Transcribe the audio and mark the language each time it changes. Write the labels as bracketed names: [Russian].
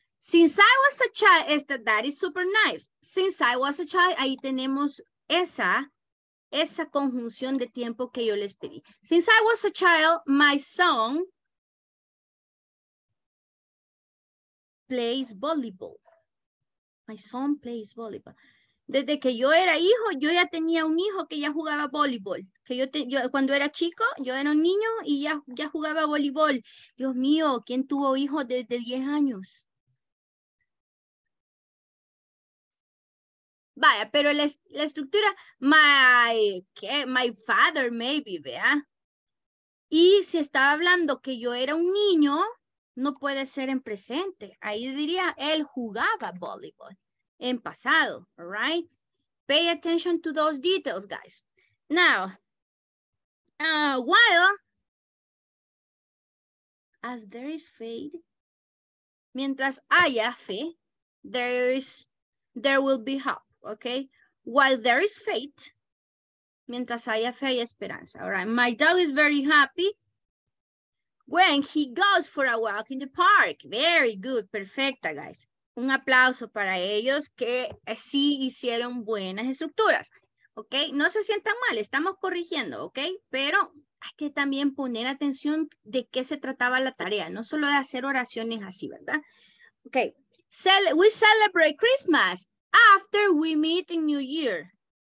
[English] Since I was a child, that is super nice. Since I was a child, [Spanish] ahí tenemos esa conjunción de tiempo que yo les pedí. [English] Since I was a child, my son plays volleyball. My son plays volleyball. [Spanish] Desde que yo era hijo, yo ya tenía un hijo que ya jugaba voleibol. Yo cuando era chico, yo era un niño y ya jugaba voleibol. Dios mío, ¿quién tuvo hijo desde 10 años? Vaya, pero la estructura, [English] my father maybe, [Spanish] ¿vea? Y si estaba hablando que yo era un niño, no puede ser en presente. Ahí diría, él jugaba voleibol en pasado, right? [English] Pay attention to those details, guys. Now, while, as there is faith, [Spanish] mientras haya fe, [English] there will be hope, okay? While there is faith, [Spanish] mientras haya fe y esperanza, [English] all right? My dog is very happy. When he goes for a walk in the park. Very good. [Spanish] Perfecta, [English] guys. [Spanish] Un aplauso para ellos que sí hicieron buenas estructuras. ¿Ok? No se sientan mal. Estamos corrigiendo. ¿Ok? Pero hay que también poner atención de qué se trataba la tarea. No solo de hacer oraciones así, ¿verdad? [English] ¿Ok? We celebrate Christmas after we meet in New Year.